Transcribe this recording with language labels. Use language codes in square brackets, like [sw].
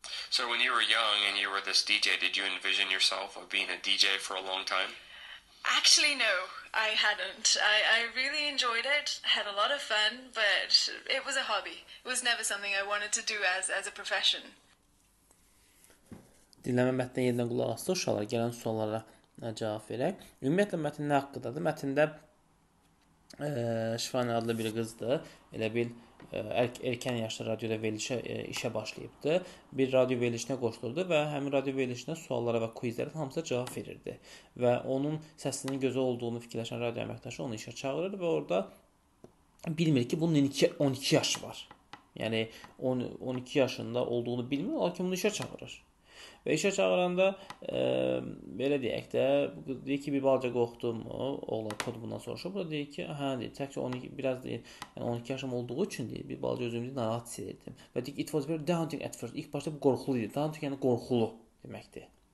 [en] So when you were young and you were this DJ, did you envision yourself of being a DJ for a long time? Actually, no, I hadn't. I really enjoyed it, had a lot of fun, but it was a hobby. It was never something I wanted to do as a profession. [az] Dinləmə mətninə yenidən qulaq asdıq, uşaqlar gələn suallara cavab verək. Ümumiyyətlə, mətn nə haqqındadır? Mətndə Şifani adlı bir qızdır. Elə bil, erkən yaşda radioda verilişə işə başlayıbdı. Bir radio verilişinə qoşulurdu və həmin radio verilişində suallara və quizlərə hamısı cavab verirdi. Və onun səsinin gözü olduğunu fikirləşən radio əməkdaşı onu işə çağırır və orada bilmir ki, bunun 12 yaşı var. Yəni, 12 yaşında olduğunu bilmir, lakin bunu işə çağırır. Və işə çağıranda, belə deyək də, deyir ki, bir balca qorxdumu, oğlan kod bundan soruşur. Bu da deyir ki, hə, deyir, tək ki, 12, biraz deyir, yəni 12 yaşım olduğu üçün deyir, bir balca özümü deyir, narahat hissedirdim. Və deyir ki, [en] it was very daunting at first. [az] İlk başta bu qorxulu deyir. Daunting, yəni qorxulu deməkdir.